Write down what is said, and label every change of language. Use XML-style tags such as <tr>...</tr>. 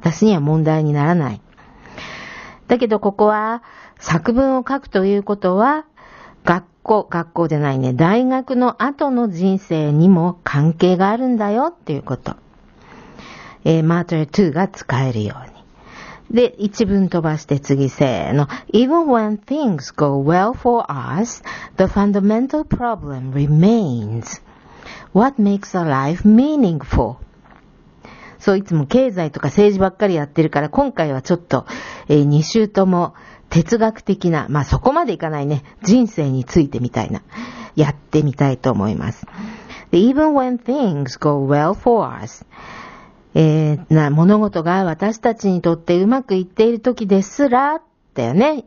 <ja>私には問題にならない。だけどここは作文を書くということは学校じゃないね。大学の後の人生にも関係があるんだよっていうこと。 matter to が使えるように。で、一文飛ばして次せーの。</ja> <en>Even when things go well for us, the fundamental problem remains. What makes a life meaningful?</en> <ja>そう、いつも経済とか政治ばっかりやってるから、今回はちょっと、2週とも哲学的な、まあ、そこまでいかないね。人生についてみたいな。やってみたいと思います。</ja> <en>Even when things go well for us,</en> <ja>物事が私たちにとってうまくいっている時ですら、だよね。</ja>